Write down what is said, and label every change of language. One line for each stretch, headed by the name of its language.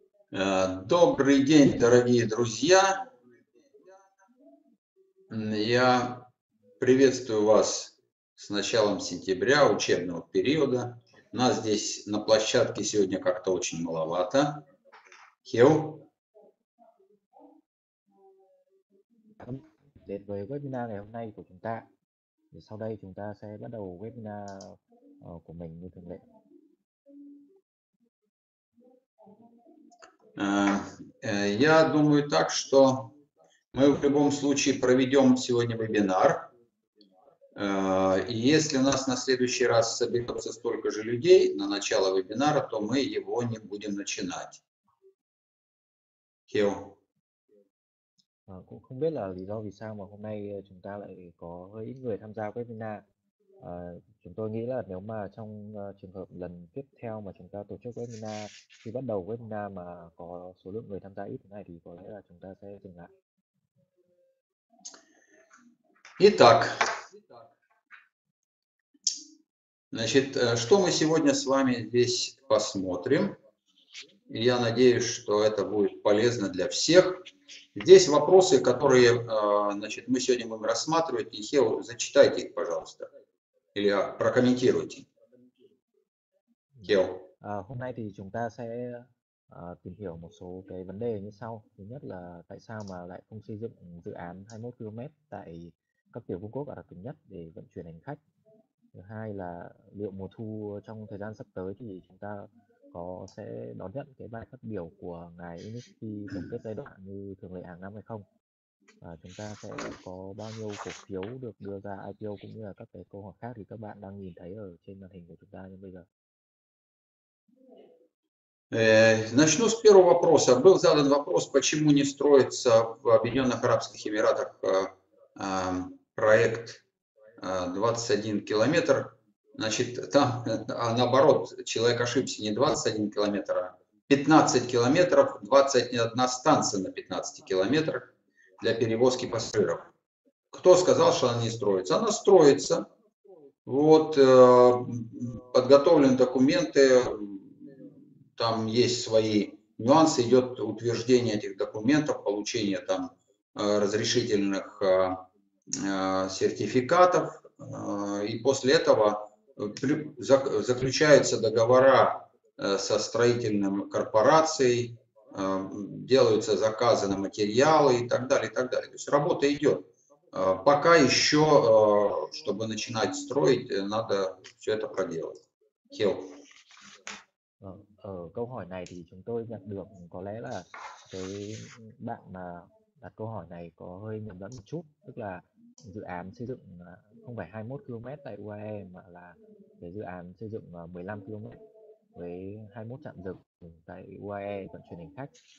Russian: Добрый день, дорогие друзья! Я приветствую вас с началом сентября, учебного периода. Нас здесь на площадке сегодня как-то очень маловато. Хил?
Vietnamese: Đến với webinar ngày hôm nay của chúng ta. Thì sau đây chúng ta sẽ bắt đầu webinar của mình như thường lệ.
Russian: Я думаю так, что мы в любом случае проведем сегодня вебинар. И если у нас на следующий раз соберется столько же людей на начало вебинара, то мы его не будем начинать. Хил.
Vietnamese: Cũng không biết là lý do vì sao mà hôm nay chúng ta lại có hơi ít người tham gia webinar. Chúng tôi nghĩ là nếu mà trong trường hợp lần tiếp theo mà chúng ta tổ chức webinar, khi bắt đầu webinar mà có số lượng người tham gia ít thế này thì có lẽ là chúng ta sẽ dừng lại.
Russian: Итак, значит, что мы сегодня с вами здесь посмотрим? Я надеюсь, что это будет полезно для всех. Здесь вопросы, которые, значит, мы сегодня будем рассматривать. И Хео, зачитайте их, пожалуйста. Или прокомментируйте. Хео.
Vietnamese: Hôm nay thì chúng ta sẽ tìm hiểu một số cái vấn đề như sau. Thứ nhất là tại sao mà lại không xây dựng dự án 21 km tại các tiểu vương quốc Ả Rập thống nhất để vận chuyển hành khách. Thứ hai là liệu mùa thu trong thời gian sắp tới thì chúng ta sẽ đón nhận cái bài phát biểu của ngài UNESCO tổng kết giai đoạn như thường lệ hàng năm hay không? Và chúng ta sẽ có bao nhiêu cổ phiếu được đưa ra IPO cũng như là các cái câu hỏi khác thì các bạn đang nhìn thấy ở trên màn hình của chúng ta như bây giờ.
Russian: Начну с первого вопроса. Был задан вопрос, почему не строится в Объединенных Арабских Эмиратах проект 21 километр? Значит, там, наоборот, человек ошибся, не 21 километр, а 15 километров, 21 станция на 15 километрах для перевозки пассажиров. Кто сказал, что она не строится? Она строится. Вот, подготовлены документы, там есть свои нюансы, идет утверждение этих документов, получение там разрешительных сертификатов, и после этого заключаются договора со строительной корпорацией, делаются заказы на материалы и так далее, и так далее. То есть работа идет. Пока еще, чтобы начинать строить, надо все это проделать. Хил.
Vietnamese: Câu hỏi này thì chúng tôi nhận được, có lẽ là cái bạn mà đặt câu hỏi này có hơi nhầm lẫn một chút, tức là dự án xây dựng không phải 21 km tại UAE mà là cái dự án xây dựng 15 km với 21 trạm dừng tại UAE vận chuyển hành khách.